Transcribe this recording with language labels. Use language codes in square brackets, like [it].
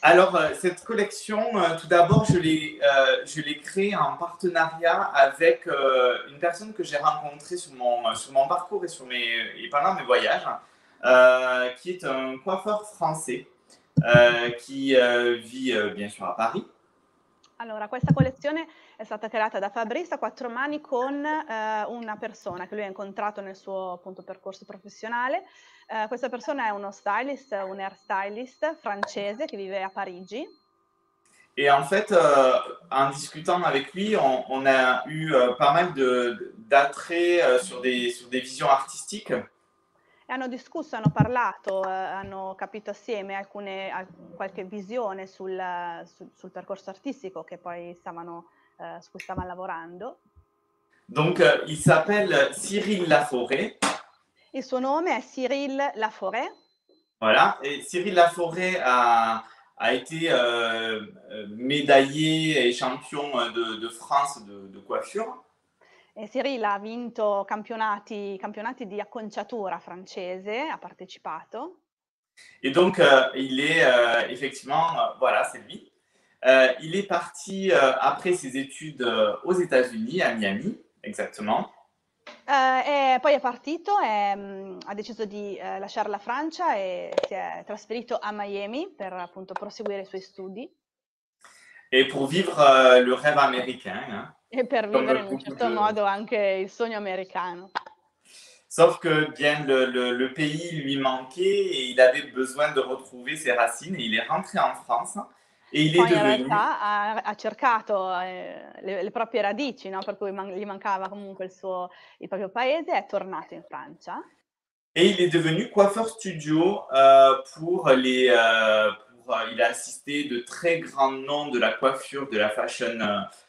[it] Allora, questa collezione, [fr] tout d'abord, je l'ai créée en partenariat avec une personne che j'ai rencontrée sur mon parcours et, sur mes, et pendant mes voyages, qui est un coiffeur français qui vit bien sûr à Paris. [it] Allora, questa collezione è stata creata da Fabrice a quattro mani con una persona che lui ha incontrato nel suo appunto, percorso professionale. Questa persona è uno stylist, un hair stylist francese che vive a Parigi. [fr] E in fait, en discutant avec lui, on a eu pas mal d'attrait sur des visions artistiques. [it] E hanno discusso, hanno parlato, hanno capito assieme alcune, qualche visione sul percorso artistico che poi stavano, su cui stavano lavorando. [fr] Donc, il s'appelle Cyril Laforêt. [it] Il suo nome è Cyril Laforêt. [fr] Voilà, et Cyril Laforêt a été médaillé et champion de France de coiffure. [it] E Cyril ha vinto campionati di acconciatura francese, ha partecipato. [fr] E donc il est effectivement voilà, c'est lui. Il est parti après ses études aux États-Unis à Miami, exactement. [it] E poi è partito e ha deciso di lasciare la Francia e si è trasferito a Miami per appunto proseguire i suoi studi. [fr] Et pour vivre le rêve américain, hein. [it] E per vivere in un certo modo anche il sogno americano. [fr] Sauf que bien le pays lui manquait et il avait besoin de retrouver ses racines. Il est rentré en France et il [it] Poi [fr] est [it] in [fr] devenu. [it] Realtà ha cercato le proprie radici, no? Per cui gli mancava comunque il proprio paese, è tornato in Francia. [fr] Et il est devenu coiffeur studio pour les. Pour, il a assisté de très grands noms de la coiffure, de la fashion.